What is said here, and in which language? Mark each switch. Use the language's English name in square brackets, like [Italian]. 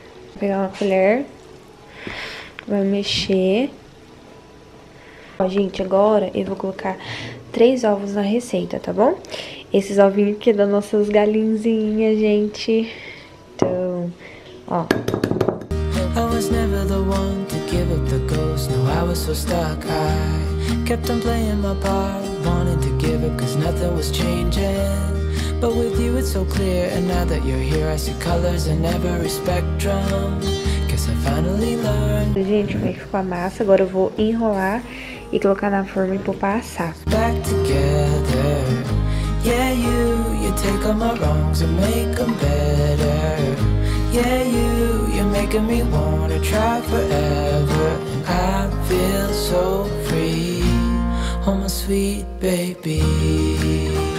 [Portuguese] Vou pegar uma colher. Vai mexer. Ó, gente, agora eu vou colocar três ovos na receita, tá bom? Esses ovinhos aqui das nossas galinhazinhas, gente. Então, ó. [English] I was never the one to give up the ghost. No, I was so stuck. I kept on playing my part, wanted to give up cause nothing was changing. But with you it's so clear, and now that you're here, I see colors in every spectrum. Guess I finally learned. [Portuguese] Gente, como é que ficou a massa? Agora eu vou enrolar e colocar na forma e pôr pra assar. [English] Back together. Yeah, you take all my wrongs and make them better. Yeah, you're making me wanna try forever. I feel so free, oh my sweet baby.